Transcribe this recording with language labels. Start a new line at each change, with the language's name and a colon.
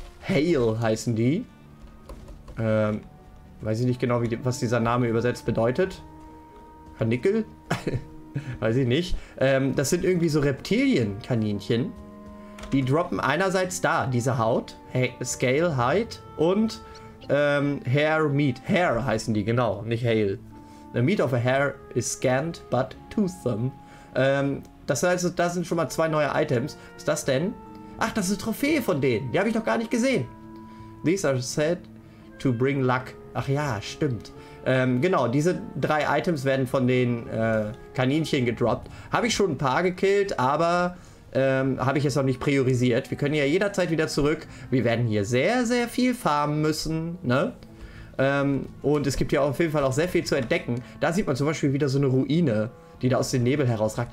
German: Hail heißen die. Weiß ich nicht genau, was dieser Name übersetzt bedeutet. Karnickel? Weiß ich nicht. Das sind irgendwie so Reptilienkaninchen. Die droppen einerseits da, diese Haut.
English: Scale, Height und Hair, Meat.
German: Hair heißen die, genau, nicht Hail.
English: The meat of a hair is scant but toothsome.
German: Das heißt, da sind schon mal zwei neue Items. Was ist das denn? Ach, das ist eine Trophäe von denen. Die habe ich noch gar nicht gesehen.
English: These are said to bring luck.
German: Ach ja, stimmt. Genau, diese drei Items werden von den Kaninchen gedroppt. Habe ich schon ein paar gekillt, aber habe ich es noch nicht priorisiert. Wir können ja jederzeit wieder zurück. Wir werden hier sehr, sehr viel farmen müssen, ne? Und es gibt ja auf jeden Fall auch sehr viel zu entdecken. Da sieht man zum Beispiel wieder so eine Ruine, die da aus dem Nebel herausragt.